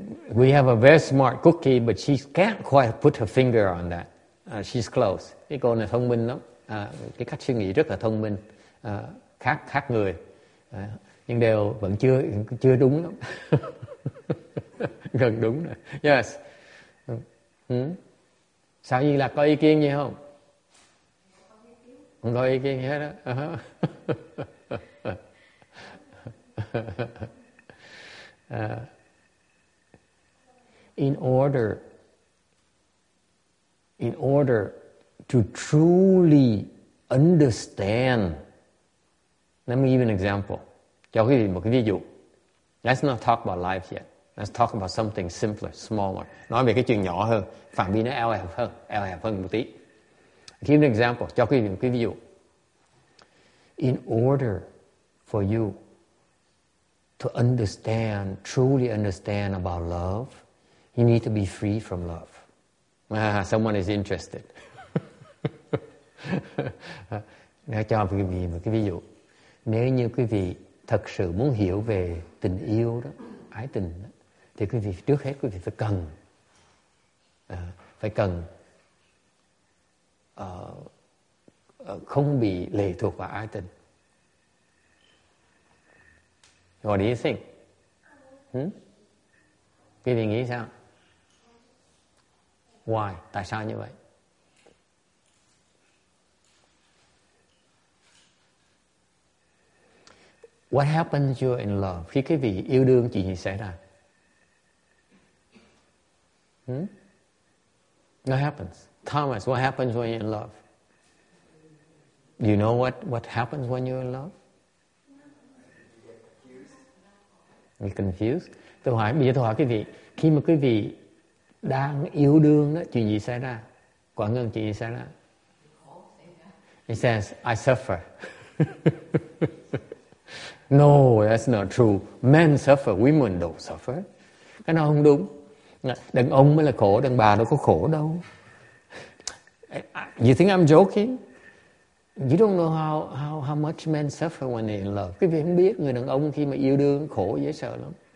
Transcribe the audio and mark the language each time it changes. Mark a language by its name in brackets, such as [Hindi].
[English] We have a very smart cookie, but she can't quite put her finger on that. She's close. [Vietnamese] Cái cô này thông minh lắm. Cái cách suy nghĩ rất là thông minh. Khác người. Nhưng đều vẫn chưa đúng lắm. Gần đúng rồi. Yes. Sao Duy Lạc có ý kiến gì không? Không có ý kiến gì hết á. [English] In order to truly understand, let me give an example. [Vietnamese] Cho quý vị một cái ví dụ. [English] Let's not talk about life yet. Let's talk about something simpler, smaller. [Vietnamese] Nói về cái chuyện nhỏ hơn, phạm vi nó eo hẹp hơn một tí. [English] Give an example. [Vietnamese] Cho quý vị một cái ví dụ. [English] In order for you to understand, truly understand about love, you need to be free from love. Someone is interested. [Vietnamese] Nói cho quý vị một cái ví dụ. Nếu như quý vị thật sự muốn hiểu về tình yêu đó, ái tình đó, thì quý vị trước hết quý vị phải cần không bị lệ thuộc vào ái tình. [English] What do you think? [Vietnamese] Quý vị nghĩ sao? [English] Why? [Vietnamese] Tại sao như vậy? [English] What happens you're in love? [Vietnamese] Khi cái vị yêu đương chuyện gì xảy ra? [English] What happens? Thomas, what happens when you're in love? Do you know what happens when you're in love? You're confused? [Vietnamese] Tôi hỏi cái vị, khi mà cái vị đang yêu đương đó, chuyện gì xảy ra? Quả ngân chuyện gì xảy ra? [English] He says, I suffer. No, that's not true. Men suffer, women don't suffer. [Vietnamese] Cái nào không đúng. Đàn ông mới là khổ, đàn bà đâu có khổ đâu. [English] You think I'm joking? You don't know how much men suffer when they're in love. [Vietnamese] Cái việc không biết người đàn ông khi mà yêu đương khổ dễ sợ lắm.